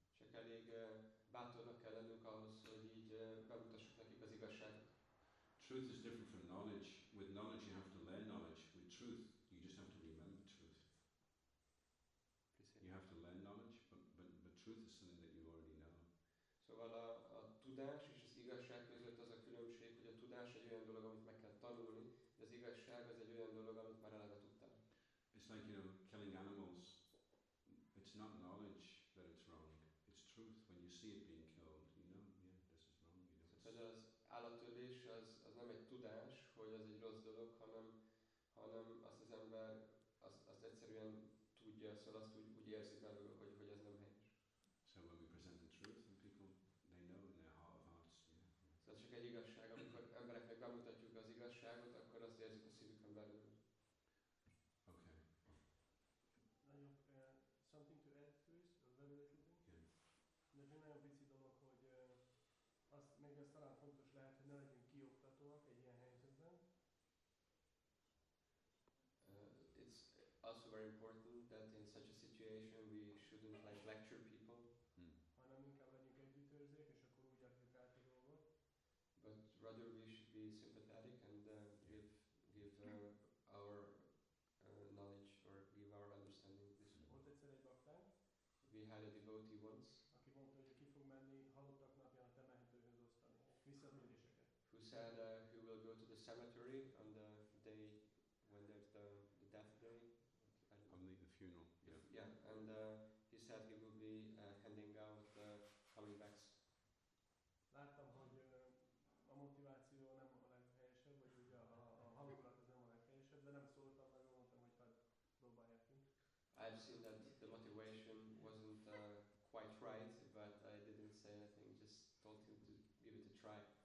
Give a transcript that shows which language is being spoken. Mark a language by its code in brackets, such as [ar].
[hu] Csak elég bátornak kell lennünk ahhoz, hogy így bemutassuk nekik az igazságot. [en] Truth is different from knowledge. With knowledge you have to learn knowledge. With truth you just have to remember truth. You have to learn knowledge, but truth is something that you already know. [hu] Szóval a tudás és az igazság között az a különbség, hogy a tudás egy olyan dolog, amit meg kell tanulni, de az igazság az egy olyan dolog, amit már eleve tudtam. [en] It's like, you know, killing animals. It's not knowledge that it's wrong. It's truth. When you see it being killed, you know, yeah, this is wrong. You know, [hu] it's állatölés az nem egy tudás, hogy az egy rossz dolog, hanem azt az ember azt egyszerűen tudja, szóval azt úgy érzi belőle, hogy ez nem helyes. [en] So when we present the truth and people, they know in their heart of hearts, yeah. [hu] Szóval csak egy igazság, amikor embereknek bemutatjuk az igazságot, akkor azt érzik a szívükön belül. [en] Okay. Something to add first, a very little thing. [hu] De egy nagyon pici dolog, hogy azt még ez talán fontos lehet, hogy ne legyünk kioktatóak egy ilyen helyzetben. [en] It's also very important that in such a situation we shouldn't like lecture people. [hu] Hanem inkább legyünk együttérzők, és akkor úgy adjuk át a dolgot. [en] But rather we should be sympathetic and give our knowledge or give our understanding. [hu] Volt egyszer egy baktán. [en] We had a devotee once. [hu] Aki mondta, hogy ki fog menni halottak napján a temetőhöz osztani visszatéréseket. [en] Who said he will go to the cemetery on the day when there's the death day? On the funeral. Yeah. Yeah, and he said he will be handing out the coming bags. [hu] Láttam, hogy a motiváció nem a leghelyesebb, vagy ugye a halottak az nem a leghelyesebb, de nem szóltam, mert mondtam, hogy hát dobálják ki. [en] I've seen that the motivation wasn't quite right, but I didn't say anything, just told him to give it a try.